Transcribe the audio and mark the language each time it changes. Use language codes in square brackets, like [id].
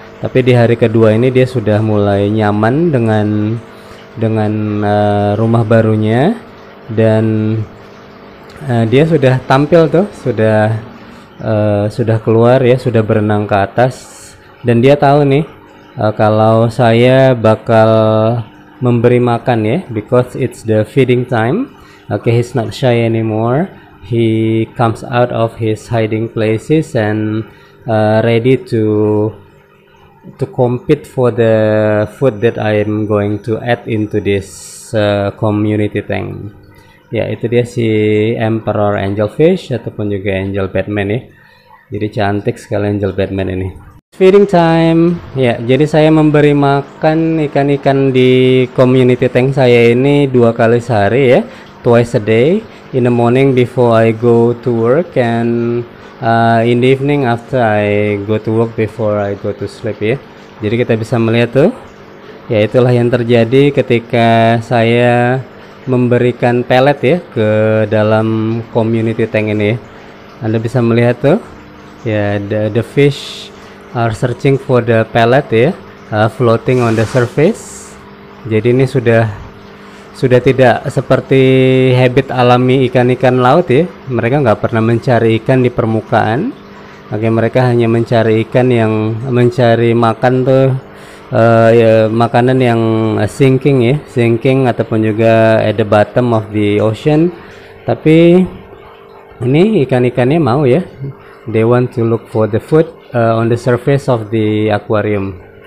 [id] Tapi di hari kedua ini dia sudah mulai nyaman dengan rumah barunya, dan dia sudah tampil tuh, sudah keluar ya, sudah berenang ke atas, dan dia tahu nih kalau saya bakal memberi makan ya, [en] because it's the feeding time. Okay, he's not shy anymore. He comes out of his hiding places and ready to compete for the food that I'm going to add into this community tank. [id] Ya, itu dia si Emperor Angelfish ataupun juga Angel Batman ya. Jadi cantik sekali Angel Batman ini. [en] Feeding time. [id] Ya, jadi saya memberi makan ikan-ikan di community tank saya ini 2 kali sehari ya. [en] Twice a day, in the morning before I go to work and in the evening after I go to work before I go to sleep ya. [id] Jadi kita bisa melihat tuh. Ya, itulah yang terjadi ketika saya memberikan pelet ya ke dalam community tank ini. Anda bisa melihat tuh. [en] Ya, the fish are searching for the pellet ya, floating on the surface. [id] Jadi ini sudah tidak seperti habit alami ikan-ikan laut ya. Mereka nggak pernah mencari ikan di permukaan. Oke, mereka hanya mencari ikan yang mencari makan tuh, ya, makanan yang sinking ya, sinking ataupun juga [en] at the bottom of the ocean. [id] Tapi ini ikan-ikannya mau ya. [en] They want to look for the food on the surface of the aquarium.